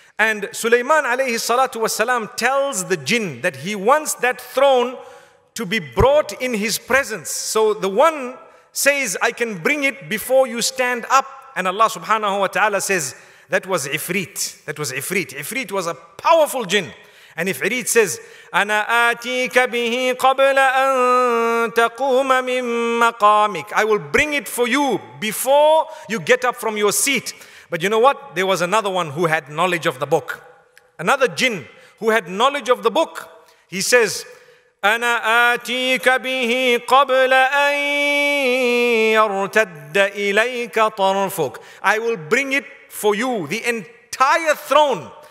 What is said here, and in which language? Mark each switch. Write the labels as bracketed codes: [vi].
[en] And Sulaiman alayhi salatu wasalam tells the jinn that he wants that throne to be brought in his presence. So the one says, I can bring it before you stand up. And Allah subhanahu wa ta'ala says, that was Ifrit. That was Ifrit. Ifrit was a powerful jinn. And Ifrit says, [ar] أَنَا آتِيكَ بِهِ قَبْلَ أَن تَقُومَ مِن مَقَامِكَ. [en] I will bring it for you before you get up from your seat. But you know what? There was another one who had knowledge of the book. Another jinn who had knowledge of the book. He says, [ar] أَنَا آتِيكَ بِهِ قَبْلَ أَن يَرْتَدَّ إِلَيْكَ طَرْفُكَ. [en] I will bring it for you, the entire throne.